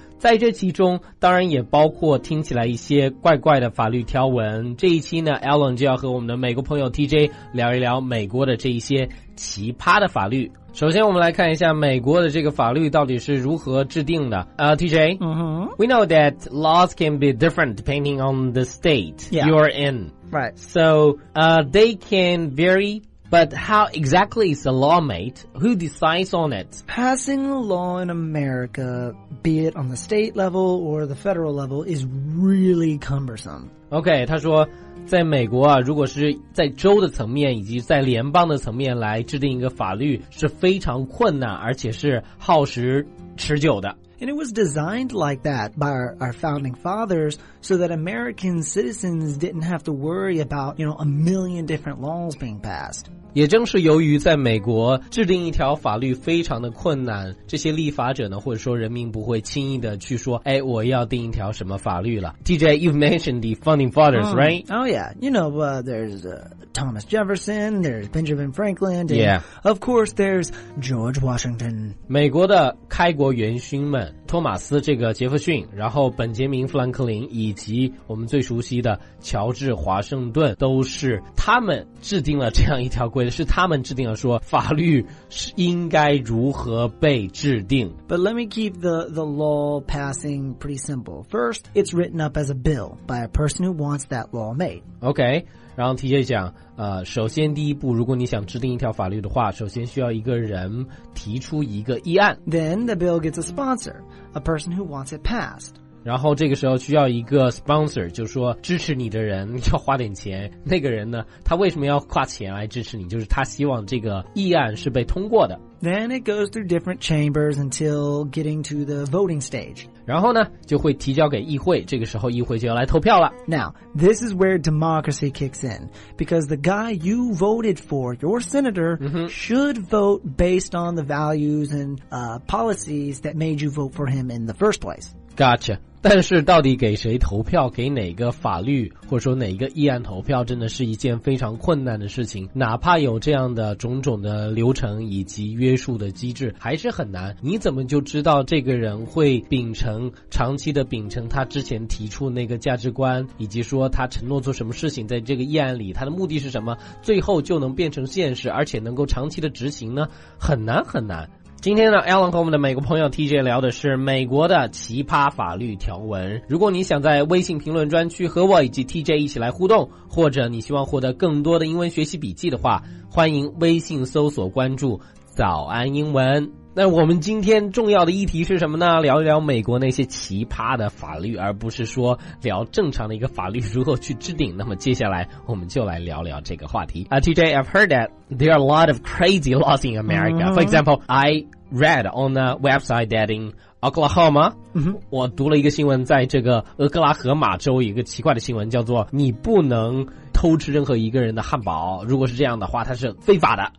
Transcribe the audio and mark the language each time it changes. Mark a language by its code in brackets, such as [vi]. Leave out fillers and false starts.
[zh] 在这其中当然也包括听起来一些怪怪的法律条文。这一期呢 Alan 就要和我们的美国朋友 TJ 聊一聊美国的这一些奇葩的法律。首先我们来看一下美国的这个法律到底是如何制定的。 [en] TJ,、 uh-huh. We know that laws can be different depending on the state、 yeah. you're in. Right. So,、they can vary, but how exactly is the law made? Who decides on it? Passing a law in America, be it on the state level or the federal level, is really cumbersome. Okay, [zh] 他说在美国啊，如果是在州的层面以及在联邦的层面来制定一个法律是非常困难而且是耗时持久的。 [en] And it was designed like that by our founding fathers so that American citizens didn't have to worry about, you know, a million different laws being passed. [zh] 也正是由于在美国制定一条法律非常的困难，这些立法者呢，或者说人民不会轻易的去说，哎，我要定一条什么法律了。 [en] TJ, you've mentioned the founding fathers, right? Oh, yeah. You know, there's Thomas Jefferson, there's Benjamin Franklin, and、 yeah. of course, there's George Washington. [zh] 美国的开国元勋们托马斯这个杰弗逊，然后本杰明·富兰克林以及我们最熟悉的乔治·华盛顿，都是他们制定了这样一条规则，是他们制定了说法律是应该如何被制定。 [en] But let me keep the law passing pretty simple. First, it's written up as a bill by a person who wants that law made. Okay. [zh] 然后 TJ 讲首先第一步，如果你想制定一条法律的话，首先需要一个人提出一个议案。 [en] Then the bill gets a sponsor, a person who wants it passed. [zh] 然后这个时候需要一个 sponsor, 就是说支持你的人要花点钱。那个人呢，他为什么要花钱来支持你，就是他希望这个议案是被通过的。 [en] Then it goes through different chambers until getting to the voting stage. [zh] 然后呢，就会提交给议会，这个时候议会就要来投票了。 [en] Now, this is where democracy kicks in, because the guy you voted for, your senator,、 mm-hmm. should vote based on the values and、policies that made you vote for him in the first place. Gotcha. [zh] 但是到底给谁投票，给哪个法律，或者说哪个议案投票，真的是一件非常困难的事情。哪怕有这样的种种的流程以及约束的机制，还是很难。你怎么就知道这个人会长期的秉承他之前提出那个价值观，以及说他承诺做什么事情，在这个议案里他的目的是什么，最后就能变成现实，而且能够长期的执行呢？很难很难。今天呢 ,Alan 和我们的美国朋友 TJ 聊的是美国的奇葩法律条文。如果你想在微信评论专区和我以及 TJ 一起来互动，或者你希望获得更多的英文学习笔记的话，欢迎微信搜索关注早安英文。那我们今天重要的议题是什么呢？聊一聊美国那些奇葩的法律，而不是说聊正常的一个法律如何去制定。那么接下来我们就来聊聊这个话题。 [en] TJ, I've heard that there are a lot of crazy laws in America. For example, I read on the website that in Oklahoma,、 mm-hmm. [zh] 我读了一个新闻，在这个俄克拉荷马州一个奇怪的新闻，叫做你不能偷吃任何一个人的汉堡，如果是这样的话，它是非法的。